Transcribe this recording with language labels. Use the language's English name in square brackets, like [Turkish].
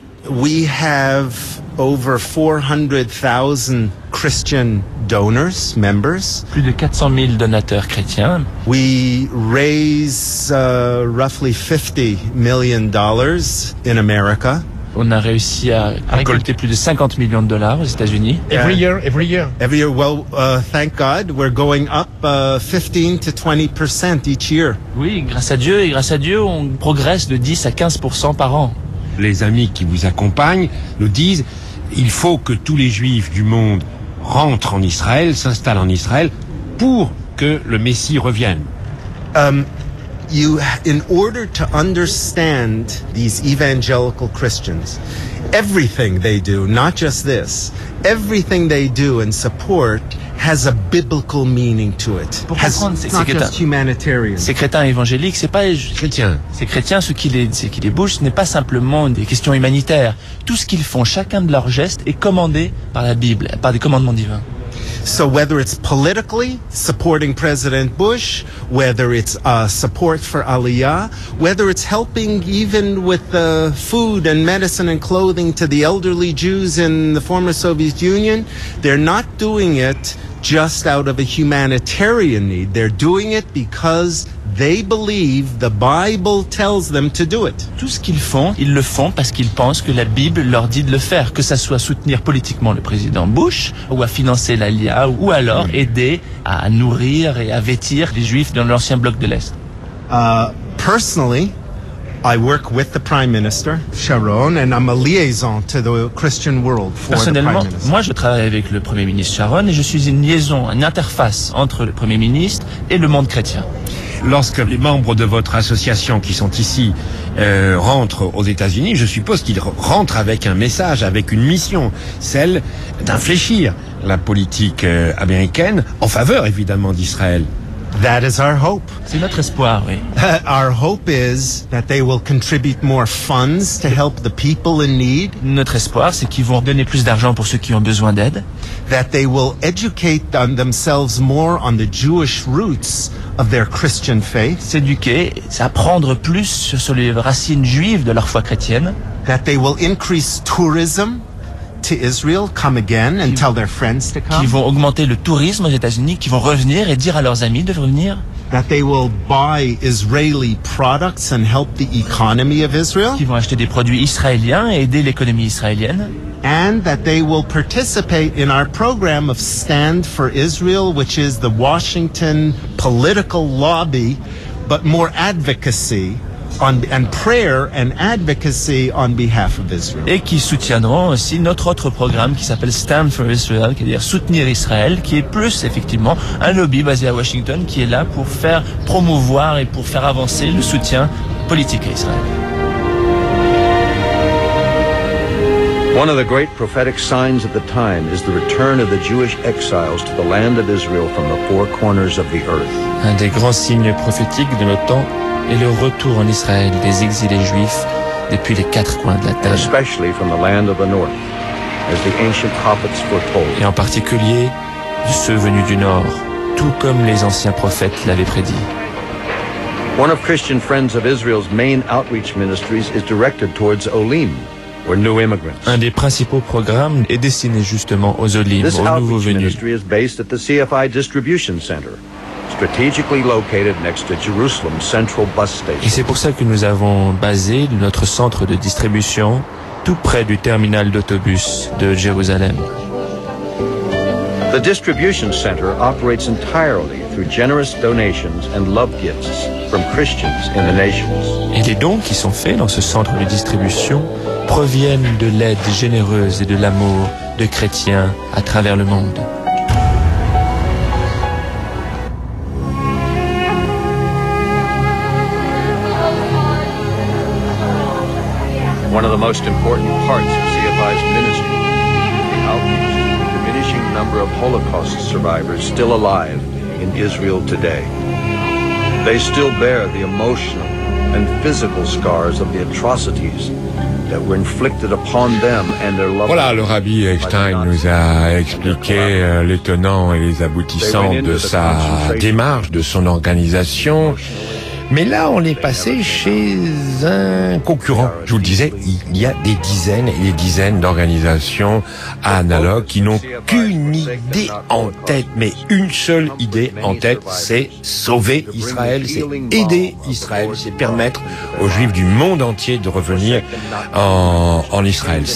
[English] We have over 400,000 Christian donors, members. [French] Plus de 400 000 donateurs chrétiens. [English] We raise roughly $50 million in America. [French] On a réussi à récolter plus de 50 millions de dollars aux États-Unis. [English] Every year. Well, thank God, we're going up 15-20% each year. [French] Oui, grâce à Dieu, on progresse de 10-15% par an. Les amis qui vous accompagnent nous disent, il faut que tous les juifs du monde rentrent en Israël, s'installent en Israël, pour que le Messie revienne. [English] In order to understand these evangelical Christians, everything they do, not just this, everything they do and support has a biblical meaning to it. [French] Ces chrétiens évangéliques, c'est pas chrétiens. Ces chrétiens, ce qui les bouge, ce n'est pas simplement des questions humanitaires. Tout ce qu'ils font, chacun de leurs gestes est commandé par la Bible, par des commandements divins. [English] So whether it's politically supporting President Bush, whether it's support for Aliyah, whether it's helping even with the food and medicine and clothing to the elderly Jews in the former Soviet Union, they're not doing it just out of a humanitarian need. They're doing it because they believe the Bible tells them to do it. [French] Tout ce qu'ils font, ils le font parce qu'ils pensent que la Bible leur dit de le faire, que ça soit soutenir politiquement le président Bush ou à financer l'Aliyah ou alors aider à nourrir et à vêtir les juifs dans l'ancien bloc de l'Est. [English] Personally, I work with the Prime Minister Sharon and I'm a liaison to the Christian world for the Prime Minister. [French] Personnellement, moi je travaille avec le Premier ministre Sharon et je suis une liaison, une interface entre le Premier ministre et le monde chrétien. Lorsque les membres de votre association qui sont ici rentrent aux États-Unis, je suppose qu'ils rentrent avec un message, avec une mission, celle d'infléchir la politique américaine en faveur évidemment d'Israël. [English] That is our hope. [French] C'est notre espoir, oui. [English] Our hope is that they will contribute more funds to help the people in need. [French] Notre espoir, c'est qu'ils vont donner plus d'argent pour ceux qui ont besoin d'aide. [English] That they will educate on themselves more on the Jewish roots of their Christian faith. [French] S'éduquer, c'est apprendre plus sur les racines juives de leur foi chrétienne. [English] That they will increase tourism to Israel, come again and tell their friends to come. [French] Qui vont augmenter le tourisme aux États-Unis, qui vont revenir et dire à leurs amis de revenir. [English] That they will buy Israeli products and help the economy of Israel. [French] Qui vont acheter des produits israéliens et aider l'économie israélienne. [English] And that they will participate in our program of Stand for Israel, which is the Washington political lobby, but more advocacy. And prayer and advocacy on behalf of Israel. [French] Et qui soutiendront aussi notre autre programme qui s'appelle Stand for Israel, qui veut dire soutenir Israël, qui est plus effectivement un lobby basé à Washington qui est là pour faire promouvoir et pour faire avancer le soutien politique à Israël. [English] One of the great prophetic signs of the time is the return of the Jewish exiles to the land of Israel from the four corners of the earth. [French] Un des grands signes prophétiques de notre temps et le retour en Israël des exilés juifs depuis les quatre coins de la terre. [English] Especially from the land of the north, as the ancient prophets foretold. [French] Et en particulier de ceux venus du nord, tout comme les anciens prophètes l'avaient prédit. [English] One of Christian Friends of Israel's main outreach ministries is directed towards Olim, or new immigrants. [French] Un des principaux programmes est destiné justement aux Olim, aux nouveaux venus. [English] This outreach ministry is based at the CFI distribution center, strategically located next to Jerusalem Central Bus Station. [French] Et c'est pour ça que nous avons basé notre centre de distribution tout près du terminal d'autobus de Jérusalem. [English] The distribution center operates entirely through generous donations and love gifts from Christians in the nations. [French] Et les dons qui sont faits dans ce centre de distribution proviennent de l'aide généreuse et de l'amour de chrétiens à travers le monde. [English] One of the most important parts of CFI's ministry is the outreach to the diminishing number of Holocaust survivors still alive in Israel today. They still bear the emotional and physical scars of the atrocities that were inflicted upon them and their loved ones. [French] Voilà, le Rabbi Eckstein nous a expliqué les tenants et les aboutissants de sa démarche, de son organisation. Mais là, on est passé chez un concurrent. Je vous le disais, il y a des dizaines et des dizaines d'organisations analogues qui n'ont qu'une idée en tête, mais une seule idée en tête, c'est sauver Israël, c'est aider Israël, c'est permettre aux Juifs du monde entier de revenir en Israël.